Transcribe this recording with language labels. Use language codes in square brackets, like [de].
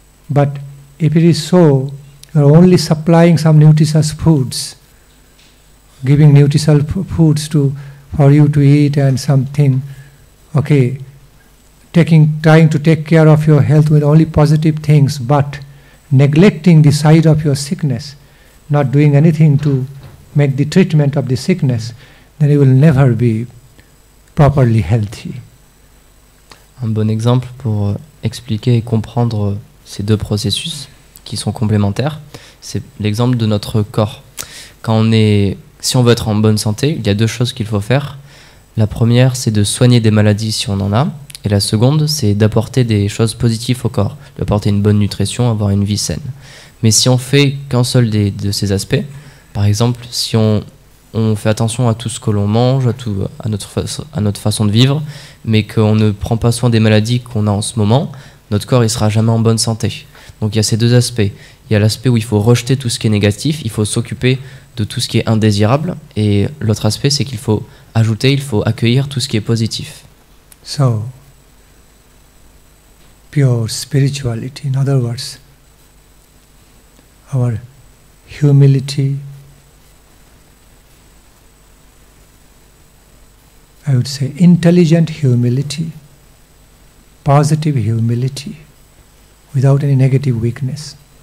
[en] But if it is so, you are only supplying some nutritious foods, giving nutritious foods for you to eat and something, okay, trying to take care of your health with only positive things, but neglecting the side of your sickness, not doing anything to make the treatment of the sickness, then you will never be properly healthy. [fr] Un bon exemple pour expliquer et comprendre ces deux processus qui sont complémentaires, c'est l'exemple de notre corps. Si on veut être en bonne santé, il y a deux choses qu'il faut faire. La première, c'est de soigner des maladies si on en a. Et la seconde, c'est d'apporter des choses positives au corps, d'apporter une bonne nutrition, avoir une vie saine. Mais si on fait qu'un seul de ces aspects, par exemple, si on fait attention à tout ce que l'on mange, à notre façon de vivre, mais qu'on ne prend pas soin des maladies qu'on a en ce moment, notre corps il sera jamais en bonne santé. Donc il y a ces deux aspects. Il y a l'aspect où il faut rejeter tout ce qui est négatif, il faut s'occuper de tout ce qui est indésirable, et l'autre aspect, c'est qu'il faut ajouter, il faut accueillir tout ce qui est positif. [en] So, pure spirituality, in other words, our humility, I would say intelligent humility, positive humility, without any negative weakness.